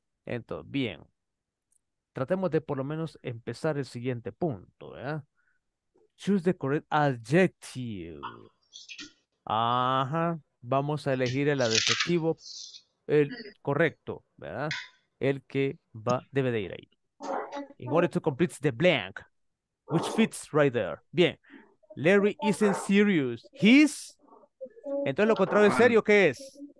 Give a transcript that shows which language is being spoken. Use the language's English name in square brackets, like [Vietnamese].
[Spanish] Entonces, bien, tratemos de por lo menos empezar el siguiente punto, ¿verdad? [English] Choose the correct adjective. [Spanish] Ajá, vamos a elegir el adjetivo, el correcto, ¿verdad? El que va, debe de ir ahí. [English] In order to complete the blank, which fits right there. Bien, Larry isn't serious. [Spanish] He's, entonces lo contrario de serio, ¿qué es?